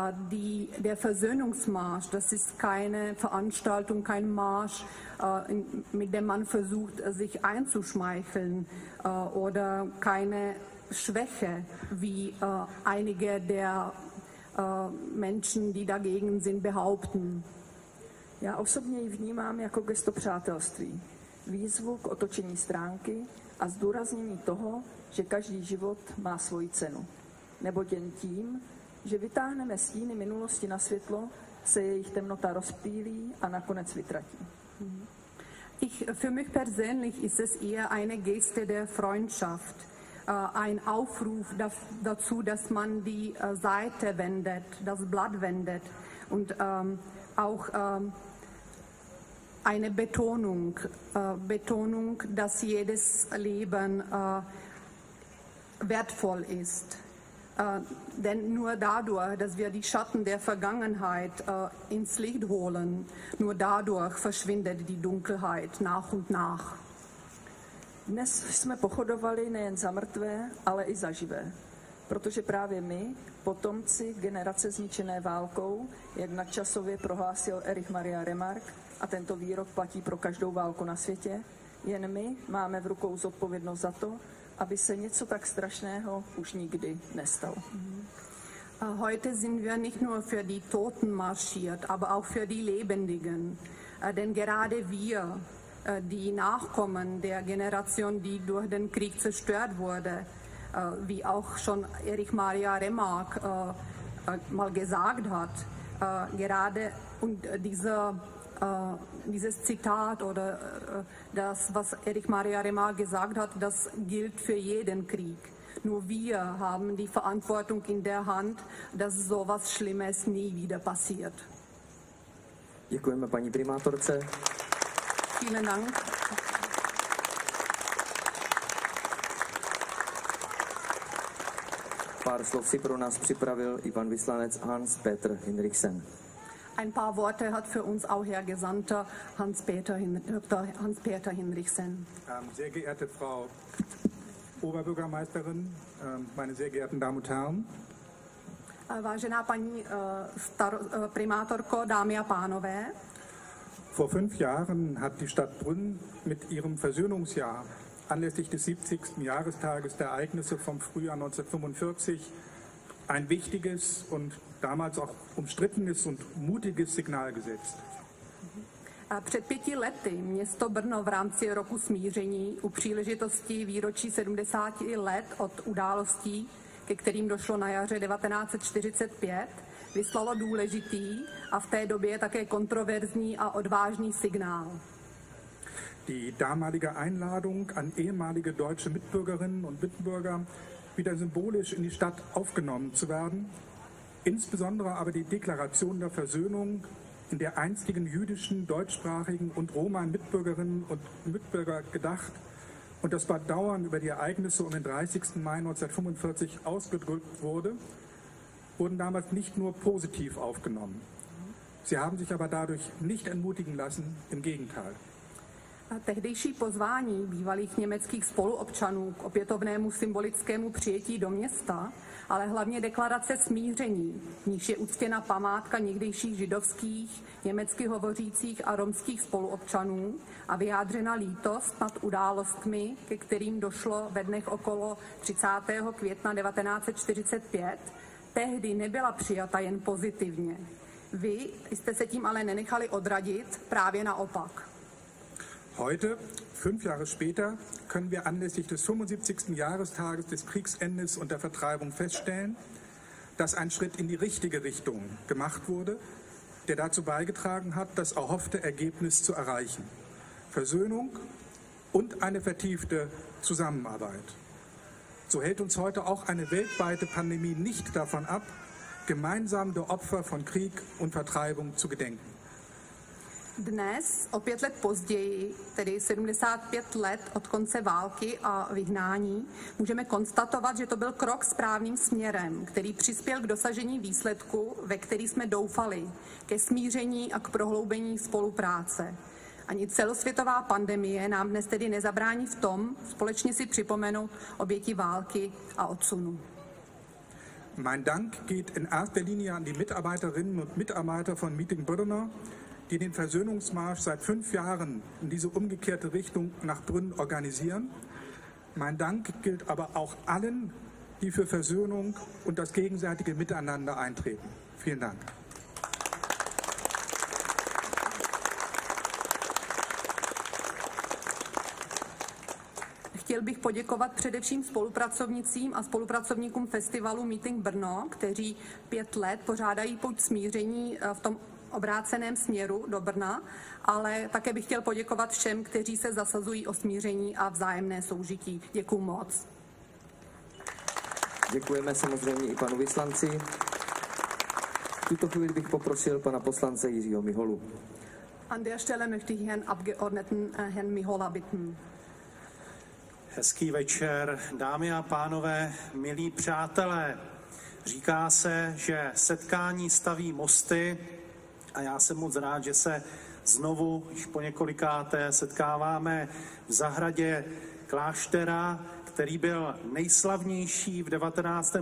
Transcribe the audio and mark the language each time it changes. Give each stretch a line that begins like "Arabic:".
German: Der Versöhnungsmarsch, das ist keine Veranstaltung, kein Marsch, mit dem man versucht, sich einzuschmeicheln oder keine Schwäche, wie einige der Menschen, die dagegen sind, behaupten.
Czech: Já osobně ji vnímám jako gesto přátelství, výzvu k otočení stránky a zdůraznění toho, že každý život má svoji cenu. Nebo jen tím, že vytáhneme stíny minulosti na světlo, se jejich temnota rozptýlí a nakonec vytratí.
German: Für mich persönlich ist es eher eine Geste der Freundschaft. Ein Aufruf dazu, dass man die Seite wendet, das Blatt wendet und auch eine Betonung, dass jedes Leben wertvoll ist. Denn nur dadurch, dass wir die Schatten der Vergangenheit ins Licht holen, nur dadurch verschwindet die Dunkelheit nach und nach.
Czech: Dnes jsme pochodovali nejen za mrtvé, ale i za živé. Protože právě my, potomci generace zničené válkou, jak nadčasově prohlásil Erich Maria Remarque, a tento výrok platí pro každou válku na světě, jen my máme v rukou zodpovědnost za to, aby se něco tak strašného už nikdy nestalo.
German: Heute sind wir nicht nur für die Toten marschiert, aber auch für die Lebendigen. Denn gerade wir, die Nachkommen der Generation, die durch den Krieg zerstört wurde, wie auch schon Erich Maria Remarque mal gesagt hat, gerade und dieses Zitat oder das, was Erich Maria Remarque gesagt hat, das gilt für jeden Krieg. Nur wir haben die Verantwortung in der Hand, dass sowas Schlimmes nie wieder passiert.
Czech: Děkujeme, paní primátorce.
German: Vielen Dank.
Czech: Pár slov si pro nás připravil i pan vyslanec Hans-Peter Hinrichsen.
German: Ein paar Worte hat für uns auch Herr Gesandter Hans-Peter Hinrichsen. Sehr geehrte Frau Oberbürgermeisterin, meine sehr geehrten Damen und Herren.
Czech: Vážená paní primátorko, dámy a pánové.
German: Vor 5 Jahren hat die Stadt Brünn mit ihrem Versöhnungsjahr anlässlich des 70. Jahrestages der Ereignisse vom Frühjahr 1945 ein wichtiges und damals auch umstrittenes und mutiges Signal gesetzt.
Czech: Před 5 lety město Brno v rámci roku smíření u příležitosti výročí 70 let od událostí, ke kterým došlo na jaře 1945, vyslalo důležitý a v té době také kontroverzní a odvážný signál.
German: Die damalige Einladung an ehemalige deutsche Mitbürgerinnen und Mitbürger, wieder symbolisch in die Stadt aufgenommen zu werden, insbesondere aber die Deklaration der Versöhnung, in der einstigen jüdischen, deutschsprachigen und Roma-Mitbürgerinnen und Mitbürger gedacht und das Bedauern über die Ereignisse um den 30. Mai 1945 ausgedrückt wurde, wurden damals nicht nur positiv aufgenommen. Sie haben sich aber dadurch nicht entmutigen lassen, im Gegenteil.
Czech: Tehdejší pozvání bývalých německých spoluobčanů k opětovnému symbolickému přijetí do města, ale hlavně deklarace smíření, v níž je uctěna památka někdejších židovských, německy hovořících a romských spoluobčanů a vyjádřena lítost nad událostmi, ke kterým došlo ve dnech okolo 30. května 1945, tehdy nebyla přijata jen pozitivně. Vy jste se tím ale nenechali odradit, právě naopak.
German: Heute, 5 Jahre später, können wir anlässlich des 75. Jahrestages des Kriegsendes und der Vertreibung feststellen, dass ein Schritt in die richtige Richtung gemacht wurde, der dazu beigetragen hat, das erhoffte Ergebnis zu erreichen. Versöhnung und eine vertiefte Zusammenarbeit. So hält uns heute auch eine weltweite Pandemie nicht davon ab, gemeinsam der Opfer von Krieg und Vertreibung zu gedenken.
Czech: Dnes, o 5 let později, tedy 75 let od konce války a vyhnání, můžeme konstatovat, že to byl krok správným směrem, který přispěl k dosažení výsledku, ve který jsme doufali, ke smíření a k prohloubení spolupráce. Ani celosvětová pandemie nám dnes tedy nezabrání v tom, společně si připomenout oběti války a odsunu.
German: Mein Dank geht in erster Linie an die Mitarbeiterinnen und Mitarbeiter von Meeting Brno, die den Versöhnungsmarsch seit 5 Jahren in diese umgekehrte Richtung nach Brünn organisieren. Mein Dank gilt aber auch allen, die für Versöhnung und das gegenseitige Miteinander eintreten. Vielen Dank.
Czech: Chtěl bych poděkovat především spolupracovnicím a spolupracovníkům festivalu Meeting Brno, kteří 5 let pořádají pouť smíření v tom obráceném směru do Brna, ale také bych chtěl poděkovat všem, kteří se zasazují o smíření a vzájemné soužití. Děkuju moc. Děkujeme samozřejmě i panu vyslanci. V tuto chvíli bych poprosil pana poslance Jiřího Miholu.
German: An der Stelle möchte ich Herrn Abgeordneten Herrn Mihola bitten.
Czech: Hezký večer, dámy a pánové, milí přátelé. Říká se, že setkání staví mosty, a já jsem moc rád, že se znovu, již po několikáté, setkáváme v zahradě kláštera, který byl nejslavnější v 19.